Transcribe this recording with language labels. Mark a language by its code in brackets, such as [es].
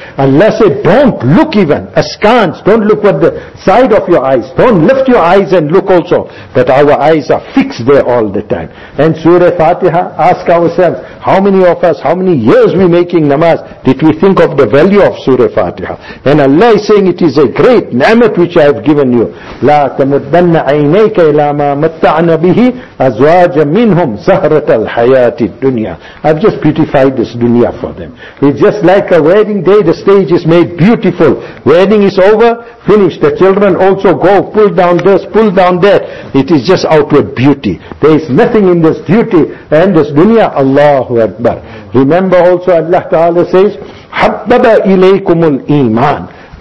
[en] Allah says, don't look even, askance, don't look at the side of your eyes, don't lift your eyes and look also, that our eyes are fixed there all the time. And Surah Fatiha, ask ourselves, how many of us, how many years we making namaz, did we think of the value of Surah Fatiha? And Allah is saying, it is a great ni'mat which I have given you. [ar] لا تمدن عينيك إلى ما متعنا به أزواج منهم زهرة الحياة الدنيا. [en] I've just beautified this dunya for them. It's just like a wedding day, the stage is made beautiful. Wedding is over, finished. The children also go, pull down this, pull down that. It is just outward beauty. There is nothing in this beauty and this dunya. Allahu Akbar. Remember also Allah Ta'ala says, [ar] حَبَّبَ إِلَيْكُمُ الْإِيمَانِ.